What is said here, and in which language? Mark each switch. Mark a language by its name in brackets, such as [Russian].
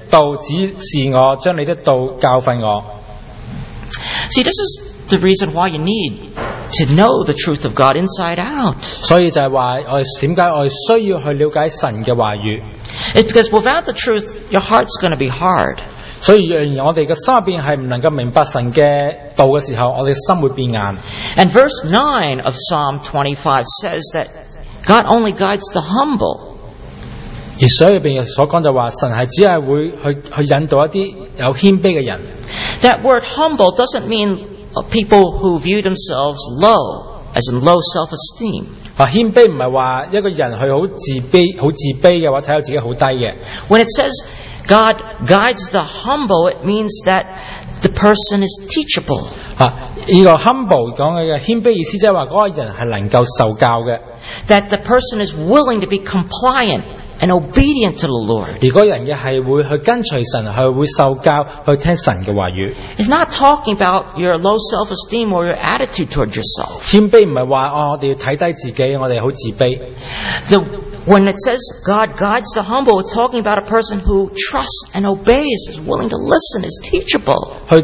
[Chinese] 所以就说,耶和华,求你将你的道指示我,将你的道教训我. [English] See, this is the reason why you need to know the truth of God inside out. [Chinese] 所以就说,为什么我需要去了解神的话语? [English] It's because without the truth, your heart's going to be hard. [Chinese] 所以我们的心里面是不能够明白神的道的时候,我们的心会变硬. [English] And verse 9 of Psalm 25 says that God only guides the humble. [Chinese] 而所里面所说的话,神只是会引导一些有谦卑的人. [English] That word humble doesn't mean people who view themselves low. as in low self-esteem. [Chinese] 谦卑不是说一个人是很自卑的或者看到自己很低的。 [English] When it says God guides the humble, it means that the person is teachable. [Chinese] 这个humble讲的谦卑意思就是说那个人是能够受教的。 [English] That the person is willing to be compliant and obedient to the Lord. [Chinese] 如果人是会去跟随神，是会受教，去听神的话语。 [English] It's not talking about your low self-esteem or your attitude toward yourself. [Chinese] 谦卑不是说我们要看低自己，我们很自卑。 [English] When it says God guides the humble, it's talking about a person who trusts and obeys, is willing to listen, is teachable.